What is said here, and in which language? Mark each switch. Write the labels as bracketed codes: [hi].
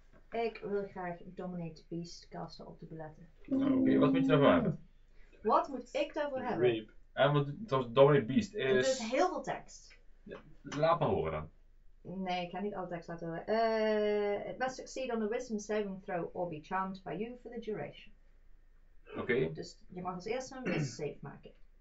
[nl] Ik wil graag Dominate Beast casten op de buletten. Oké, okay, wat moet je daarvoor hebben? Wat moet ik daarvoor hebben? Rape. En wat was Dominate Beast? Is... Dus heel veel tekst. Laat maar horen dan. Nee, ik ga niet alle tekst laten horen. [en] It must succeed on a wisdom saving throw or be charmed by you for the duration. [nl] Oké. Okay. Dus je mag als eerste een wisdom save maken.